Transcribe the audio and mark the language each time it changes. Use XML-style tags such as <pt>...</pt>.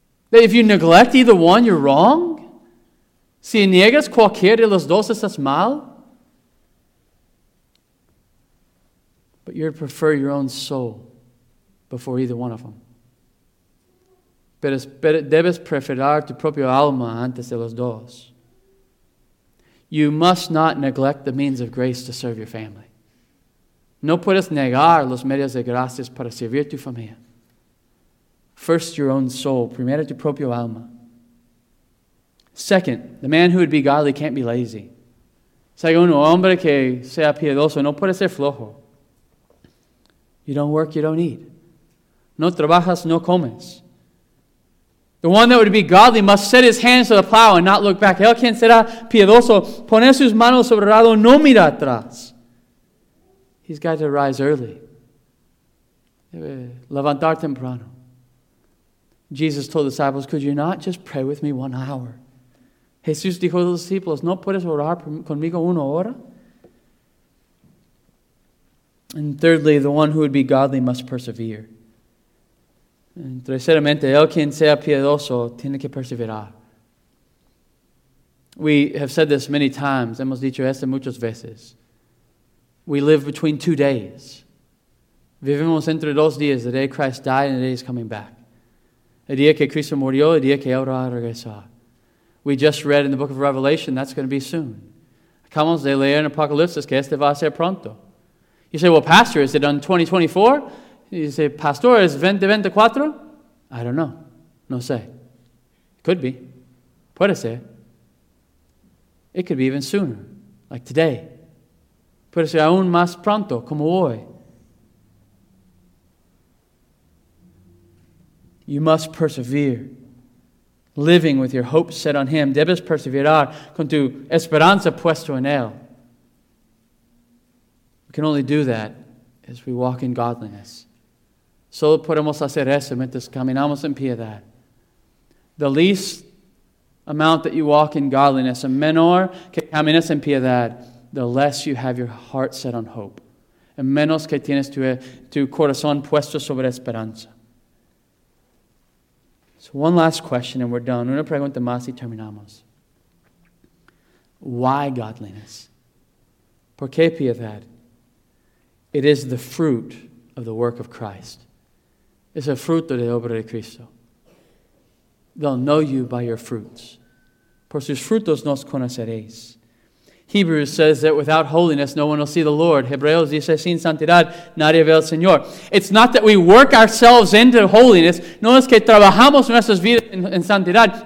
<en>That if you neglect either one, you're wrong?</en> <es>Si niegas cualquiera de los dos, estás mal?</es> <en>But you'd prefer your own soul before either one of them.</en> <es>Pero debes preferir tu propio alma antes de los dos.</es> <en>You must not neglect the means of grace to serve your family.</en> <es>No puedes negar los medios de gracias para servir tu familia.</es> <en>First, your own soul.</en> <es>Primero, tu propio alma.</es> <en>Second, the man who would be godly can't be lazy.</en> <es>Segundo, hombre que sea piedoso no puede ser flojo.</es> <en>You don't work, you don't eat.</en> <es>No trabajas, no comes.</es> <en>The one that would be godly must set his hands to the plow and not look back.</en> <es>El quien será piedoso, poner sus manos sobre el arado, no mira atrás.</es> <en>He's got to rise early.</en> <es>Debe levantar temprano.</es> <en>Jesus told the disciples, could you not just pray with me 1 hour?</en> <es>Jesús dijo a los discípulos, ¿no puedes orar conmigo 1 hora?</es> <en>And thirdly, the one who would be godly must persevere.</en> <es>And terceramente, el quien sea piedoso tiene que perseverar.</es> <en>We have said this many times,</en> <es>hemos dicho esto muchas veces.</es> <en>We live between 2 days.</en> <es>Vivimos entre 2 días,</es> <en>the day Christ died and the day he's coming back.</en> <es>El día que Cristo murió, el día que él va a regresar.</es> <en>We just read in the book of Revelation, that's going to be soon.</en> <es>Acabamos de leer en Apocalipsis que este va a ser pronto.</es> <en>You say, well, pastor, is it on 2024? You say, pastor, is 2024? I don't know.</en> <es>No sé.</es> <en>Could be.</en> <es>Puede ser.</es> <en>It could be even sooner, like today.</en> <es>Puede ser aún más pronto, como hoy.</es> <en>You must persevere, living with your hope set on him.</en> <es>Debes perseverar con tu esperanza puesto en él.</es> <en>Can only do that as we walk in godliness.</en> <es>Solo podemos hacer eso mientras caminamos en piedad.</es> <en>The least amount that you walk in godliness,</en> <es>a menor que caminas en piedad,</es> <en>the less you have your heart set on hope.</en> <es>A menos que tienes tu corazón puesto sobre esperanza.</es> <en>So one last question and we're done.</en> <es>Una pregunta más y terminamos.</es> <en>Why godliness?</en> <es>¿Por qué piedad?</es> <en>It is the fruit of the work of Christ.</en> <es>Es el fruto de obra de Cristo.</es> <en>They'll know you by your fruits.</en> <es>Por sus frutos nos conoceréis.</es> <en>Hebrews says that without holiness, no one will see the Lord.</en> <es>Hebreos dice, sin santidad, nadie ve al Señor.</es> <en>It's not that we work ourselves into holiness.</en> <es>No es que trabajamos nuestras vidas en santidad.</es>